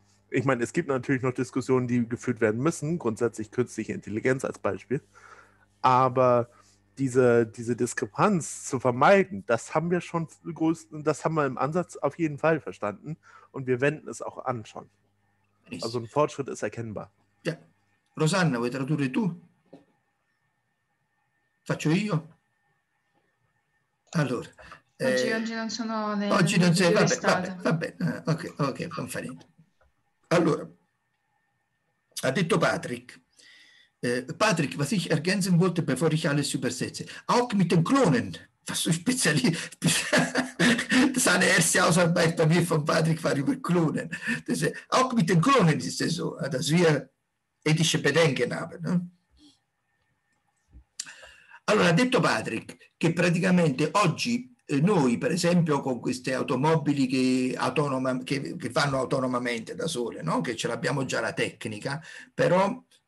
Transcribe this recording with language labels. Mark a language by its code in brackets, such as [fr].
[de] Ich meine, es gibt natürlich noch Diskussionen, die geführt werden müssen, grundsätzlich künstliche Intelligenz als Beispiel. Aber diese Diskrepanz zu vermeiden, das haben wir im Ansatz auf jeden Fall verstanden. Und wir wenden es auch an schon. Also ein Fortschritt ist erkennbar. Ja. [it] Rosanna, vuoi tradurre tu? Faccio io? Allora. Oggi non sono nel... Va bene, non fa niente. Allora, ha detto Patrick. [de] Patrick, was ich ergänzen wollte, bevor ich alles übersetze. Auch mit dem Klonen. Was so spezialist. Seine erste Ausarbeit bei mir von Patrick war über Klonen. Das, auch mit den Klonen ist es so, dass wir ethische Bedenken haben. Ne? [it] Allora, ha detto Patrick che praticamente oggi noi, per esempio, con queste automobili che fanno autonomamente da sole, no? Che ce l'abbiamo già la tecnica, però...